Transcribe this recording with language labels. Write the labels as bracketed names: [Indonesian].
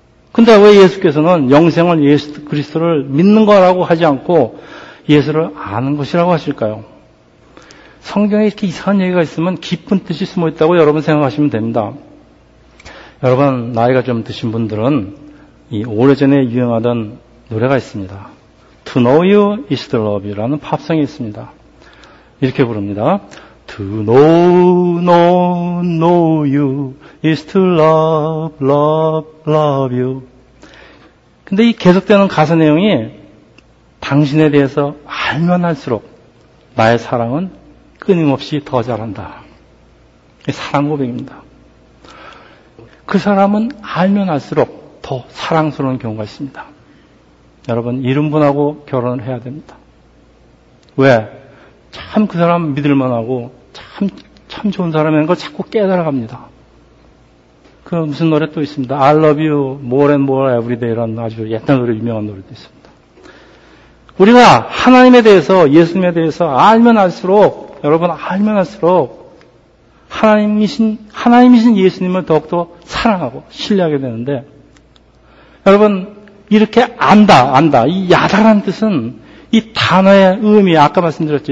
[Korean] 근데 왜 예수께서는 영생을 예수 그리스도를 믿는 거라고 하지 않고 예수를 아는 것이라고 하실까요? 성경에 이렇게 이상한 얘기가 있으면 깊은 뜻이 숨어 있다고 여러분 생각하시면 됩니다. 여러분 나이가 좀 드신 분들은 이 오래전에 유행하던 노래가 있습니다. [English] To know you is to love you [Korean] 라는 팝송이 있습니다. 이렇게 부릅니다. [English] To know you is to love you. [Korean] 근데 이 계속되는 가사 내용이 당신에 대해서 알면 할수록 나의 사랑은 끊임없이 더 잘한다. 사랑 고백입니다. 그 사람은 알면 할수록 더 사랑스러운 경우가 있습니다. 여러분 이런 분하고 결혼을 해야 됩니다. 왜? 참 그 사람 믿을만하고 참 좋은 사람이라는 걸 자꾸 깨달아갑니다. 그 무슨 노래 또 있습니다. [English] I love you more and more every day [Korean] 라는 아주 옛날 노래 유명한 노래도 있습니다. 우리가 하나님에 대해서 예수님에 대해서 알면 알수록 여러분 알면 알수록 하나님이신 예수님을 더욱더 사랑하고 신뢰하게 되는데 여러분 이렇게 안다 이 야다라는 뜻은 이 단어의 의미 아까 말씀드렸죠.